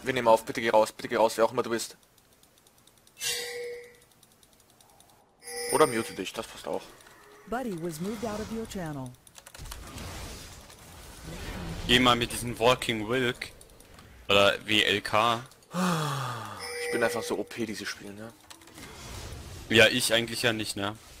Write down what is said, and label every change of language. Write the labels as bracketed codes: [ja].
[de] Wir nehmen auf, bitte geh raus, wer auch immer du bist. Oder mute dich, das passt auch. [en] Buddy was moved out of your channel. [de] Geh mal mit diesem Walking Wilk. Oder WLK. Ich bin einfach so OP, diese Spiele, ne? Ja, ich eigentlich ja nicht, ne?